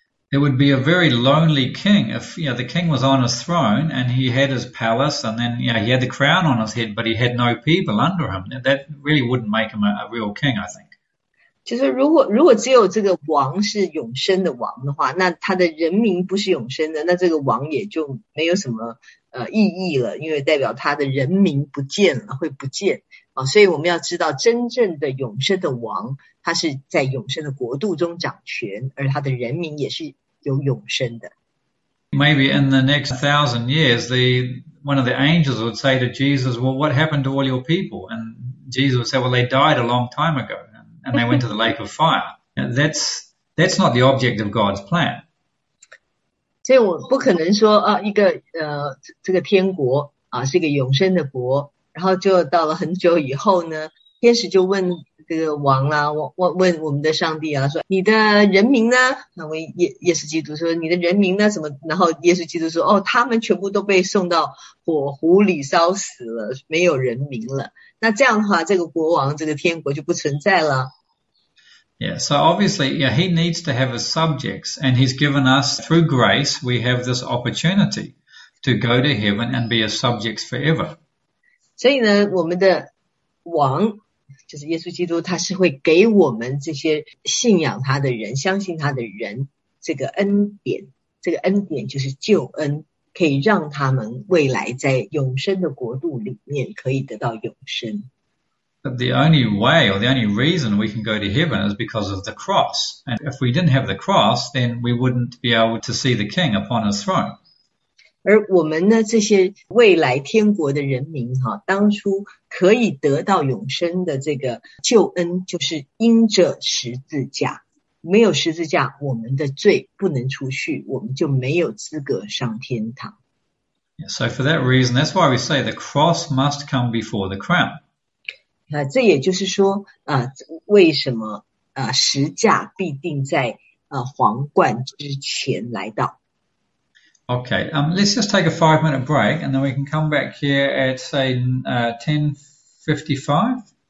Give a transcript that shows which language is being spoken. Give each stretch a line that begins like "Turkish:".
English: It would be a very lonely king if, you know, the king was on his throne and he had his palace and then, you know, he had the crown on his head, but he had no people under him. That really wouldn't make him a real king, I think.
Chinese: 就是如果只有这个王是永生的王的话，那他的人民不是永生的，那这个王也就没有什么意义了，因为代表他的人民不见了，会不见啊。所以我们要知道，真正的永生的王，他是在永生的国度中掌权，而他的人民也是有永生的。
English: Maybe in the next 1,000 years, one of the angels would say to Jesus, "Well, what happened to all your people?" And Jesus would say, "Well, they died a long time ago, and they went to the lake of fire." That's not the object of God's plan.
Chinese: 所以我不可能说啊，一个这个天国啊，是一个永生的国，然后就到了很久以后呢，天使就问这个王啦、啊，问我们的上帝啊，说你的人民呢？那位耶稣基督说你的人民呢？怎么？然后耶稣基督说哦，他们全部都被送到火湖里烧死了，没有人民了。那这样的话，这个国王，这个天国就不存在了。
English: Yeah, so obviously, yeah, he needs to have his subjects, and he's given us through grace. We have this opportunity to go to heaven and be his subjects forever.
Chinese: 所以呢，我们的王。就是耶稣基督他是会给我们这些信仰他的人相信他的人这个恩典就是救恩可以让他们未来在永生的国度里面可以得到永生
English: But the only way or the only reason we can go to heaven is because of the cross and if we didn't have the cross then we wouldn't be able to see the king upon his throne
Chinese: 而我们呢，这些未来天国的人民哈、啊，当初可以得到永生的这个救恩，就是因着十字架。没有十字架，我们的罪不能除去，我们就没有资格上天堂。
English: So for that reason, that's why we say the cross must come before the crown.
Chinese: 啊，这也就是说啊，为什么啊，十架必定在啊皇冠之前来到？
English: Okay, let's just take a 5-minute break and then we can come back here at, say, 10:55.